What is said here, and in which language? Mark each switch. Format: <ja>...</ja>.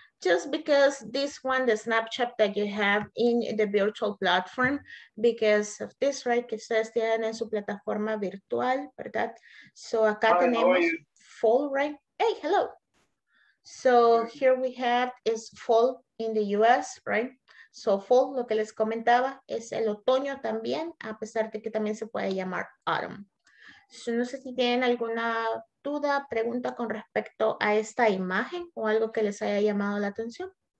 <en>Just because this one, the snapshot that you have in the virtual platform, because of this, right?</en> <es>Que ustedes tienen en su plataforma virtual, ¿verdad?</es> <en>So acá Hi, tenemos fall, right? Hey, hello. So here we have is fall in the US, right?</en> <es>So fall, lo que les comentaba, es el otoño también, a pesar de que también se puede llamar autumn. So no sé si tienen alguna duda, pregunta con respecto a esta imagen o algo que les haya llamado la atención.</es>